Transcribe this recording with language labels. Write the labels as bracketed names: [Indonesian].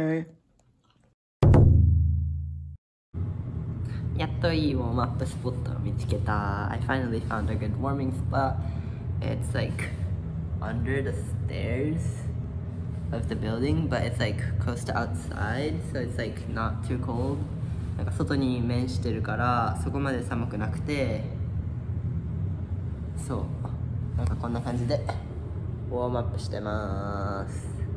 [Japanese] ー。やっといいウォームアップスポットを見つけた。 [English] I finally found a good warming spot. It's like under the stairs of the building, but it's like close to outside, so it's like not too cold. [Japanese] なんか外に面してるからそこまで寒くなくて、そう、なんかこんな感じでウォームアップしてます。